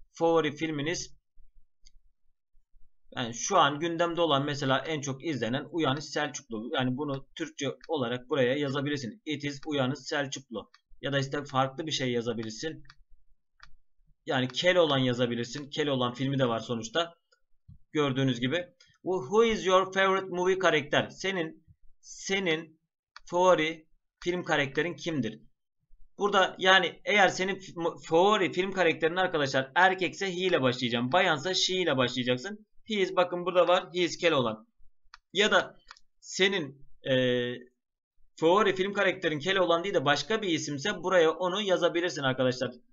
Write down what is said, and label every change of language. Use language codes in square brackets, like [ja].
[tr] Favori filminiz yani şu an gündemde olan mesela en çok izlenen Uyanış Selçuklu. Yani bunu Türkçe olarak buraya yazabilirsin. [en] It is Uyanış Selçuklu. [tr] Ya da işte farklı bir şey yazabilirsin. Yani Keloğlan yazabilirsin. Keloğlan filmi de var sonuçta. Gördüğünüz gibi. [en] Who is your favorite movie karakter? [tr] Senin favori film karakterin kimdir? Burada yani eğer senin favori film karakterin arkadaşlar erkekse he ile başlayacağım. Bayansa she ile başlayacaksın. He is bakın burada var. [en] He is Keloğlan. [tr] Ya da senin favori film karakterin Keloğlan değil de başka bir isimse buraya onu yazabilirsin arkadaşlar.